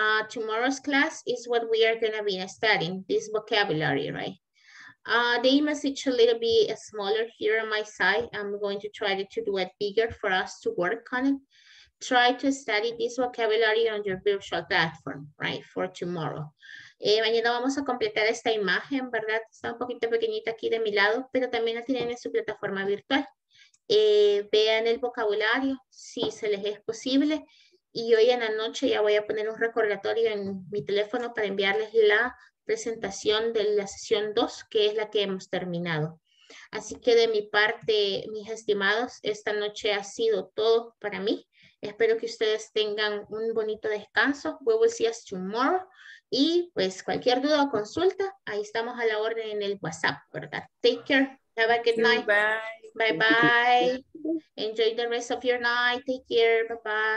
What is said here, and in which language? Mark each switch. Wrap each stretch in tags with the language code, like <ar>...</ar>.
<en>Tomorrow's class is what we are going to be studying, this vocabulary, right? The image is a little bit smaller here on my side. I'm going to try to do it bigger for us to work on it. Try to study this vocabulary on your virtual platform, right, for tomorrow.</en> <es>Mañana vamos a completar esta imagen, ¿verdad? Está un poquito pequeñita aquí de mi lado, pero también la tienen en su plataforma virtual. Vean el vocabulario, si se les es posible. Y hoy en la noche ya voy a poner un recordatorio en mi teléfono para enviarles la presentación de la sesión 2, que es la que hemos terminado. Así que de mi parte, mis estimados, esta noche ha sido todo para mí. Espero que ustedes tengan un bonito descanso.</es> <en>We will see us tomorrow.</en> <es>Y pues cualquier duda o consulta, ahí estamos a la orden en el WhatsApp, ¿verdad?</es> <en>Take care. Have a good night. Bye. Bye bye. Enjoy the rest of your night. Take care. Bye bye.</en>